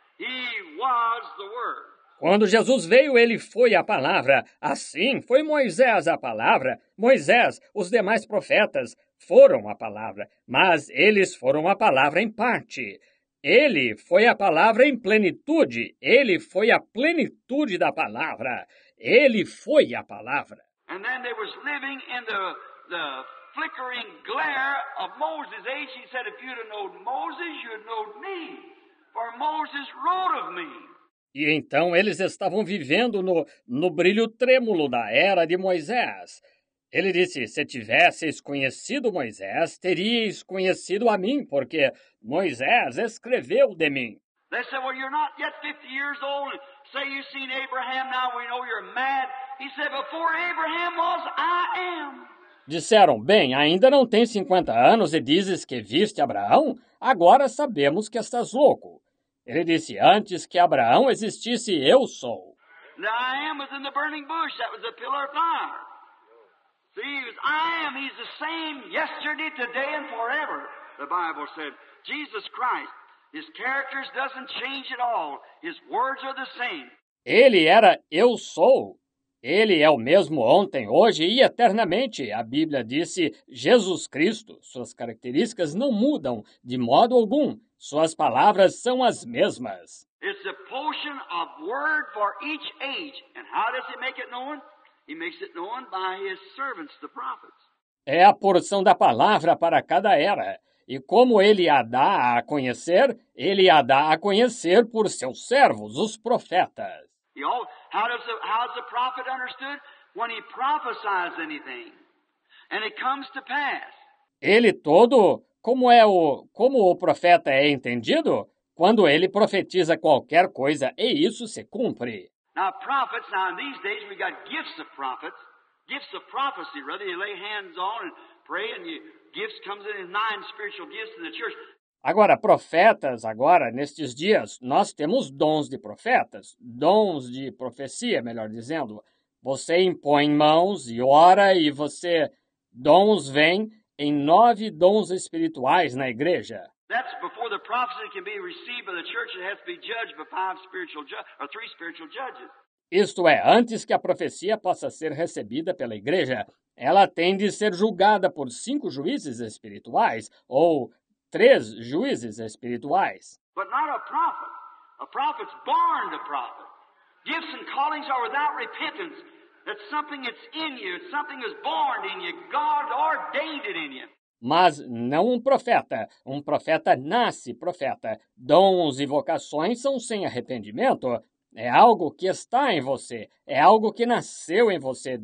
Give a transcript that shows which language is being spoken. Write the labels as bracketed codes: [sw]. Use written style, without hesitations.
[en] He was the word. [pt] Quando Jesus veio, ele foi a palavra. Assim, foi Moisés a palavra. Moisés, os demais profetas, foram a palavra. Mas eles foram a palavra em parte. Ele foi a palavra em plenitude. Ele foi a plenitude da palavra. Ele foi a palavra. [en] And then they was living in the flickering glare of Moses' age. He said, if you'd have known Moses, you'd know me. For Moses wrote of me. [pt] E então eles estavam vivendo no brilho trêmulo da era de Moisés. Ele disse, se tivesses conhecido Moisés, teríeis conhecido a mim, porque Moisés escreveu de mim. [en] They said, well, you're not yet 50 years old. Say you've seen Abraham, now we know you're mad. He said, before Abraham was, I am. [pt] Disseram, bem, ainda não tem 50 anos e dizes que viste Abraão? Agora sabemos que estás louco. Ele disse, antes que Abraão existisse, eu sou. [en] I am was in the burning bush. That was a pillar of fire. See, he was, I am. He's the same yesterday, today, and forever. The Bible said, Jesus Christ, his characters doesn't change at all. His words are the same. [pt] Ele era eu sou. Ele é o mesmo ontem, hoje e eternamente. A Bíblia disse, Jesus Cristo, suas características não mudam de modo algum. Suas palavras são as mesmas. [en] It's a potion of word for each age. And how does he make it known? He makes it known by his servants, the prophets. [pt] É a porção da palavra para cada era. E como ele a dá a conhecer? Ele a dá a conhecer por seus servos, os profetas. [en] How does the prophet understood? When he prophesies anything. And it comes to pass. [pt] Ele todo... Como o profeta é entendido? Quando ele profetiza qualquer coisa, e isso se cumpre. [en] Now, prophets, now in these days we got gifts of prophets, gifts of prophecy, rather you lay hands on and pray and you, gifts comes in 9 spiritual gifts in the church. [pt] Agora, profetas, agora, nestes dias, nós temos dons de profetas, dons de profecia, melhor dizendo. Você impõe mãos e ora e você, dons vêm, em 9 dons espirituais na igreja. [en] That's before the prophecy can be received by the church, it has to be judged by 5 spiritual judges, or 3 spiritual judges. [pt] Isto é, antes que a profecia possa ser recebida pela igreja, ela tem de ser julgada por 5 juízes espirituais ou 3 juízes espirituais. [en] But not a prophet. A prophet's born the prophet. Gifts and callings are without repentance. It's something that's in you. Something is born in you. God ordained it in you. [pt] Mas não um profeta. Um profeta nasce profeta. Dons e vocações são sem arrependimento. É algo que está em você. É algo que nasceu em você.